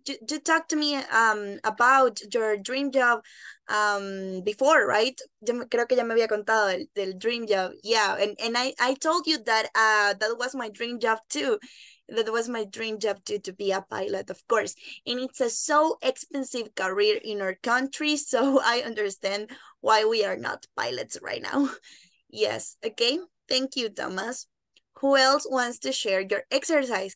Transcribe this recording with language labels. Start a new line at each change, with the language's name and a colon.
English: You talked to me about your dream job before, right?
Spanish: Yo creo que ya me había contado del dream job.
English: Yeah, and I told you that that was my dream job too. That was my dream job too, to be a pilot, of course. And it's a so expensive career in our country, so I understand why we are not pilots right now. Yes, okay. Thank you, Thomas. Who else wants to share your exercise?